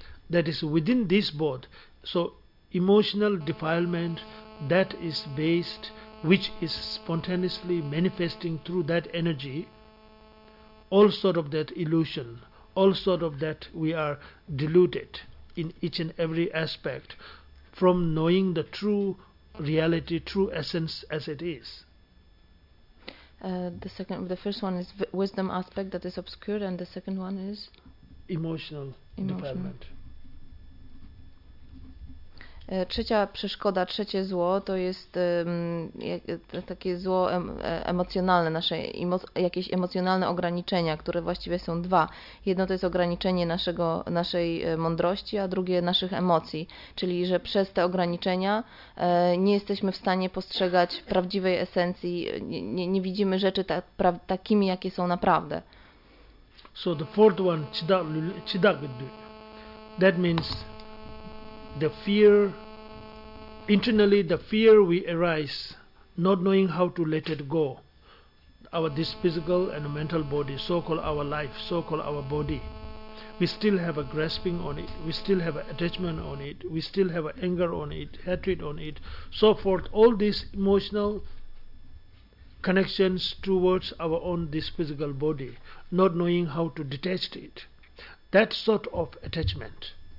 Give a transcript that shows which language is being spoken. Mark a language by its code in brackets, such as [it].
[en] That is within this both. So emotional defilement that is based, which is spontaneously manifesting through that energy, all sort of that illusion, all sort of that we are deluded in each and every aspect from knowing the true reality, true essence as it is. The first one is wisdom aspect that is obscured, and the second one is emotional defilement. [pl] Trzecia przeszkoda, trzecie zło to jest takie zło emocjonalne, nasze jakieś emocjonalne ograniczenia, które właściwie są dwa. Jedno to jest ograniczenie naszej mądrości, a drugie naszych emocji, czyli że przez te ograniczenia nie jesteśmy w stanie postrzegać prawdziwej esencji, nie widzimy rzeczy takimi, jakie są naprawdę. [en] So the fourth one, chidagdu, that means the fear, internally the fear we arise, not knowing how to let it go, this physical and mental body, so-called our life, so-called our body, we still have a grasping on it, we still have an attachment on it, we still have an anger on it, hatred on it, so forth, all these emotional connections towards our own this physical body, not knowing how to detach it, that sort of attachment.